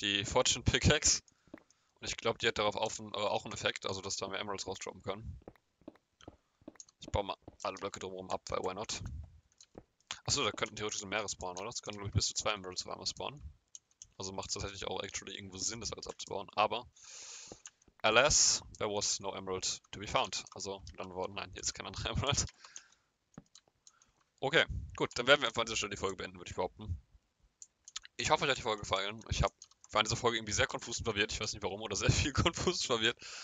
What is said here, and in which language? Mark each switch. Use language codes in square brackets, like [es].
[de] Die Fortune Pickaxe. Und ich glaube, die hat darauf auch einen Effekt, also dass da mehr Emeralds rausdroppen können. Ich baue mal alle Blöcke drumherum ab, weil [en] why not? [de] Achso, da könnten theoretisch mehrere spawnen, oder? Das können, glaube ich, bis zu zwei Emeralds auf einmal spawnen. Also macht es tatsächlich auch actually irgendwo Sinn, das alles abzubauen. [en] Aber, alas, there was no Emerald to be found. [de] Also, dann wurden, nein, hier ist kein anderer Emerald. Okay, gut, dann werden wir einfach an dieser Stelle die Folge beenden, würde ich behaupten. Ich hoffe, euch hat die Folge gefallen. Ich war in dieser Folge irgendwie sehr konfus und verwirrt, ich weiß nicht warum, oder sehr viel konfus und verwirrt.